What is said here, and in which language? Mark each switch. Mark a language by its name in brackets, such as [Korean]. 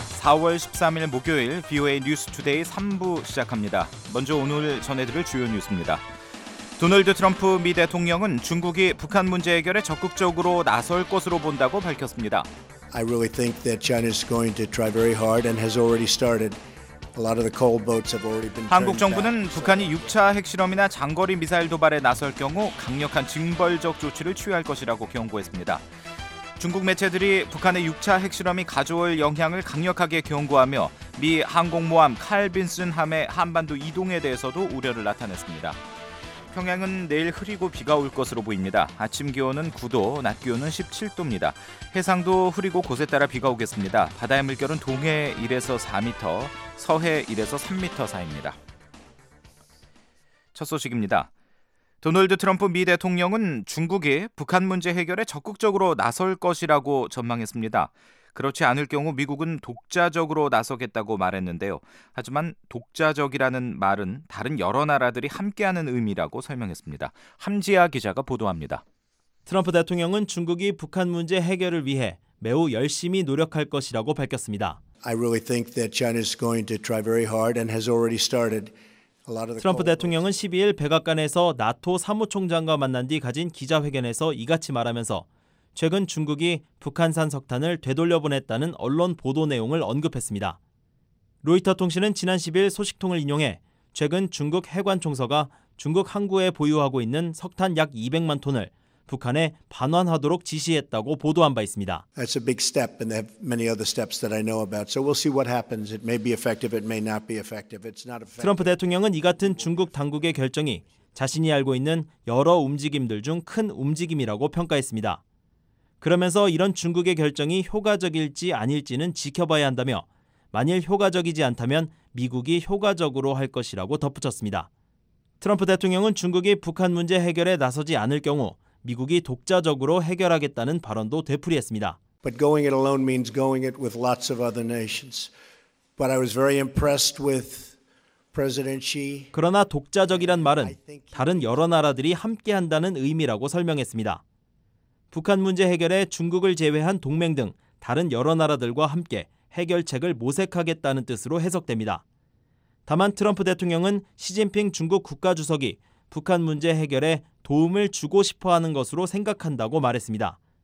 [Korean] 4월 13일 목요일 VOA 뉴스 투데이 3부 시작합니다. 먼저 오늘 전해드릴 주요 뉴스입니다. 도널드 트럼프 미 대통령은 중국이 북한 문제 해결에 적극적으로 나설 것으로 본다고 밝혔습니다. [English] I really think that China is going to try very hard and has already started. A lot of the cold boats have already been. [Korean] 한국 정부는 북한이 6차 핵실험이나 장거리 미사일 도발에 나설 경우 강력한 징벌적 조치를 취할 것이라고 경고했습니다. 중국 매체들이 북한의 6차 핵실험이 가져올 영향을 강력하게 경고하며 미 항공모함 칼 빈슨함의 한반도 이동에 대해서도 우려를 나타냈습니다. 평양은 내일 흐리고 비가 올 것으로 보입니다. 아침 기온은 9도, 낮 기온은 17도입니다. 해상도 흐리고 곳에 따라 비가 오겠습니다. 바다의 물결은 동해 1에서 4m, 서해 1에서 3m 사이입니다. 첫 소식입니다. 도널드 트럼프 미 대통령은 중국이 북한 문제 해결에 적극적으로 나설 것이라고 전망했습니다. 그렇지 않을 경우 미국은 독자적으로 나서겠다고 말했는데요. 하지만 독자적이라는 말은 다른 여러 나라들이 함께하는 의미라고 설명했습니다. 함지아 기자가 보도합니다. 트럼프 대통령은 중국이 북한 문제 해결을 위해 매우 열심히 노력할 것이라고 밝혔습니다. [English] I really think that China is going to try very hard and has already started. [Korean] 트럼프 대통령은 12일 백악관에서 나토 사무총장과 만난 뒤 가진 기자회견에서 이같이 말하면서 최근 중국이 북한산 석탄을 되돌려보냈다는 언론 보도 내용을 언급했습니다. 로이터통신은 지난 10일 소식통을 인용해 최근 중국 해관총서가 중국 항구에 보유하고 있는 석탄 약 200만 톤을 북한에 반환하도록 지시했다고 보도한 바 있습니다. [English] That's a big step and they have many other steps that I know about. So we'll see what happens. It may be effective, it may not be effective. It's not effective. [Korean] 트럼프 대통령은 이 같은 중국 당국의 결정이 자신이 알고 있는 여러 움직임들 중 큰 움직임이라고 평가했습니다. 그러면서 이런 중국의 결정이 효과적일지 아닐지는 지켜봐야 한다며 만일 효과적이지 않다면 미국이 효과적으로 할 것이라고 덧붙였습니다. 트럼프 대통령은 중국이 북한 문제 해결에 나서지 않을 경우 미국이 독자적으로 해결하겠다는 발언도 되풀이했습니다. [English] But going it alone means going it with lots of other nations. But I was very impressed with President Xi. [Korean] 그러나 독자적이란 말은 다른 여러 나라들이 함께한다는 의미라고 설명했습니다. 북한 문제 해결에 중국을 제외한 동맹 등 다른 여러 나라들과 함께 해결책을 모색하겠다는 뜻으로 해석됩니다. 다만 트럼프 대통령은 시진핑 중국 국가주석이 북한 문제 해결에 도움을 주고 싶어하는 것으로 생각한다고 말했습니다.